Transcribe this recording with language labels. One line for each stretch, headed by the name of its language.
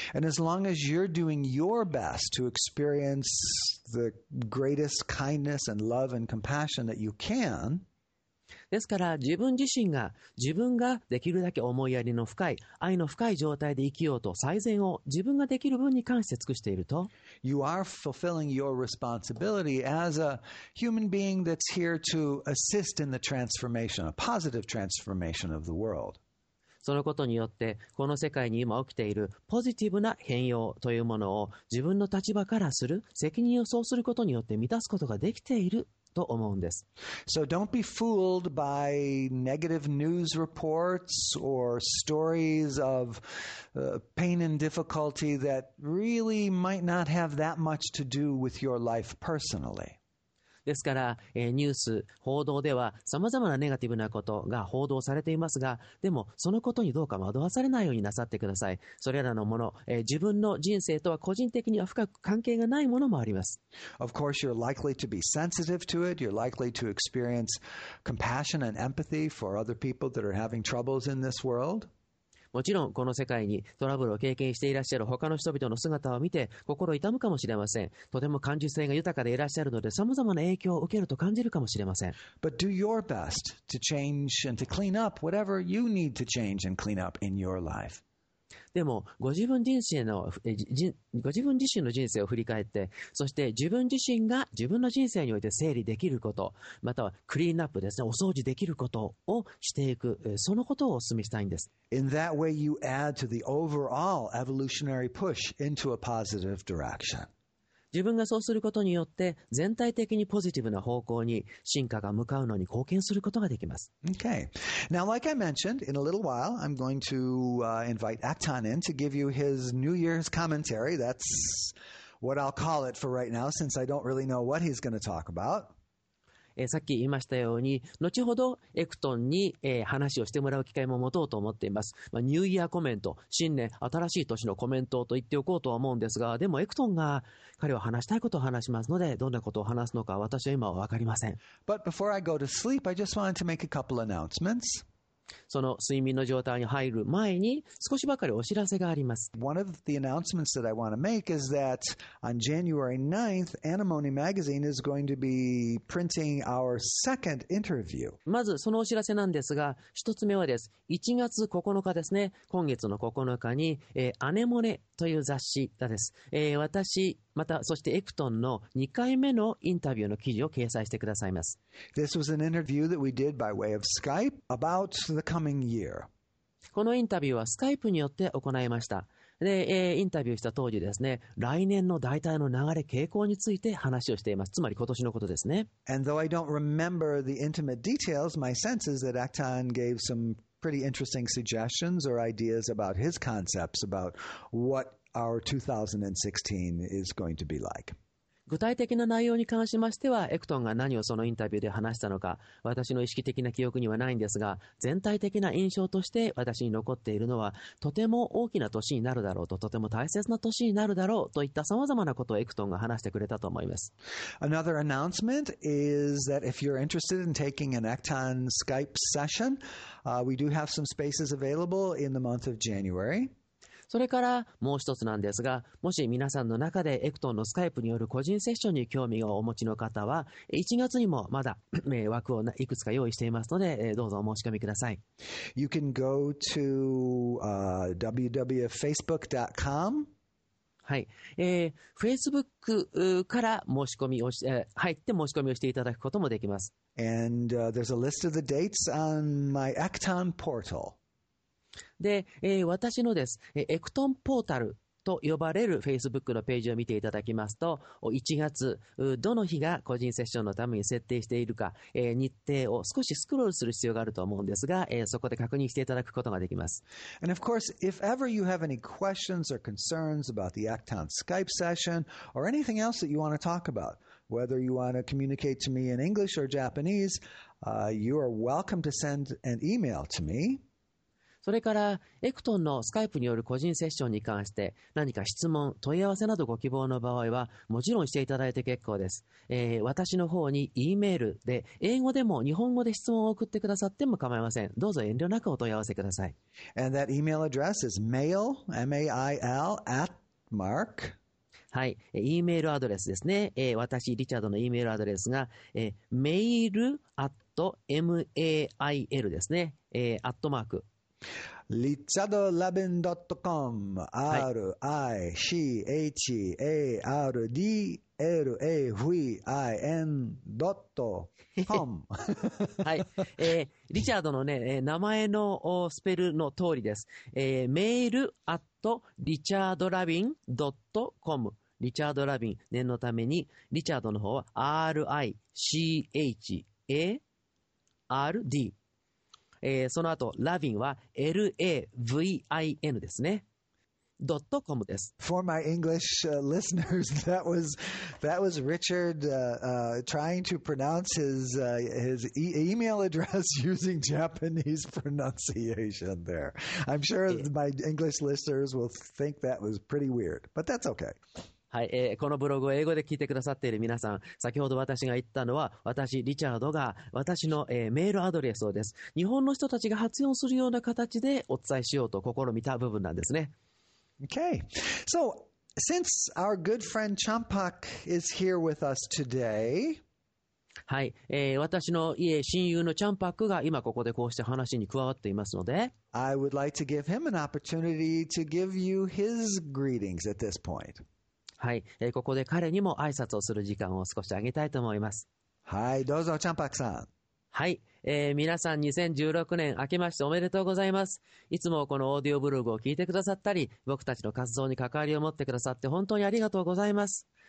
English: And as long as you're doing your best to experience the greatest kindness and love and compassion that you can,
Japanese: ですから自分自身が自分ができるだけ思いやりの深い愛の深い状態で生きようと最善を自分ができる分に関して尽くしていると
English: You are fulfilling your responsibility as a human being that's here to assist in the transformation, a positive transformation of the world.
Japanese: そのことによってこの世界に今起きているポジティブな変容というものを自分の立場からする責任をそうすることによって満たすことができていると思うんです。
English: So don't be fooled by negative news reports or stories of pain and difficulty that really might not have that much to do with your life personally.
Japanese: ですから、ニュース、報道では様々なネガティブなことが報道されていますが、でもそのことにどうか惑わされないようになさってください。それらのもの、自分の人生とは個人的には深く関係がないものもあります。
English: Of course, you're likely to be sensitive to it. You're likely to experience compassion and empathy for other people that are having troubles in this world.
Japanese: もちろんこの世界にトラブルを経験していらっしゃる他の人々の姿を見て心痛むかもしれません。とても感受性が豊かでいらっしゃるので様々な影響を受けると感じるかもしれません。
English: But do your best to change and to clean up whatever you need to change and clean up in your life.
Japanese: でもご自分自身の人生を振り返ってそして自分自身が自分の人生において整理できることまたはクリーンアップですねお掃除できることをしていくそのことをお勧めしたいんです。
English: In that way you add to the overall evolutionary push into a positive direction.
Japanese: 自分がそうすることによって全体的にポジティブな方向に進化が向かうのに貢献することができます。
English: Okay. Now, like I mentioned, in a little while, I'm going to invite Acton in to give you his New Year's commentary. That's what I'll call it for right now, since I don't really know what he's going to talk about.
Japanese: さっき言いましたように後ほどエクトンに、話をしてもらう機会も持とうと思っています、まあ、ニューイヤーコメント新年新しい年のコメントと言っておこうとは思うんですがでもエクトンが彼は話したいことを話しますのでどんなことを話すのか私は今は分かりません。
English: But before I go to sleep, I just wanted to make a couple announcements.
Japanese: その睡眠の状態に入る前に少しばかりお知らせがあります。
English: One of the announcements that I want to make is that on January 9th Antimony Magazine is going to be printing our second interview.
Japanese: まずそのお知らせなんですが一つ目はです1月9日ですね今月の9日に、アネモネという雑誌がです、私またそしてエクトンの2回目のインタビューの記事を掲載してくださいます。
English: This was an interview that we did by way of Skype about the
Japanese: このインタビューはスカイプによって行いました。で、インタビューした当時ですね、来年の大体の流れ傾向について話をしています。つまり今年のことですね。
English: And though I don't remember the intimate details, my sense is that Acton gave some pretty interesting suggestions or ideas about his concepts about what our 2016 is going to be like.
Japanese: 具体的な内容に関しましては、エクトンが何をそのインタビューで話したのか、私の意識的な記憶にはないんですが、全体的な印象として私に残っているのは、とても大きな年になるだろうと、とても大切な年になるだろうといったさまざまなことをエクトンが話してくれたと思います。
English: Another announcement is that if you're interested in taking an Acton Skype session, we do have some spaces available in the month of January.
Japanese: それからもう一つなんですが、もし皆さんの中でエクトンのスカイプによる個人セッションに興味をお持ちの方は、1月にもまだ枠をいくつか用意していますので、どうぞお申し込みください。
English: You can go to www.facebook.com
Japanese: はい、Facebook から申し込みをし、入って申し込みをしていただくこともできます。
English: And there's a list of the dates on my Acton portal.
Japanese: で、私のです、エクトンポータルと呼ばれる Facebook のページを見ていただきますと1月どの日が個人セッションのために設定しているか、日程を少しスクロールする必要があると思うんですが、そこで確認していただくことができます。
English: And of course, if ever you have any questions or concerns about the Acton Skype session or anything else that you want to talk about, whether you want to communicate to me in English or Japanese, you are welcome to send an email to me
Japanese: それからエクトンのスカイプによる個人セッションに関して何か質問、問い合わせなどご希望の場合はもちろんしていただいて結構です。私の方に E メールで英語でも日本語で質問を送ってくださっても構いません。どうぞ遠慮なくお問い合わせください。
English: And that email address is mail, M-A-I-L, at mark.
Japanese: はい、E メールアドレスですね。私、リチャードの E メールアドレスが、mail at mail ですね。at mark.
English: richardlabin.com richardlavin.com
Japanese: はい、リチャードのね、名前のスペルの通りです。メールアットリチャードラビン.com リチャード・ラビン、念のためにリチャードの方は R-I-C-H-A-R-D、その後ラビンは L-A-V-I-N ですね。.com です。
English: For my English listeners, that was Richard trying to pronounce his email address using Japanese pronunciation there. I'm sure my English listeners will think that was pretty weird, but that's okay.
Japanese: はい、このブログを英語で聞いてくださっている皆さん、先ほど私が言ったのは、私、リチャードが私の、メールアドレスをです。日本の人たちが発音するような形でお伝えしようと試みた部分なんですね。
English: Okay, so since our good friend Champak is here with us today,
Japanese: はい、私の親友のチャンパックが今ここでこうして話に加わっていますので、
English: I would like to give him an opportunity to give you his greetings at this point.
Japanese: はい、ここで彼にも挨拶をする時間を少しあげたいと思います。はい、どうぞチャンパックさん。はい、皆さん2016年明けましておめでとうございます。いつもこのオーディオブログを聞いてくださったり、僕たちの活動に関わりを持ってくださって本当にありがとうございます。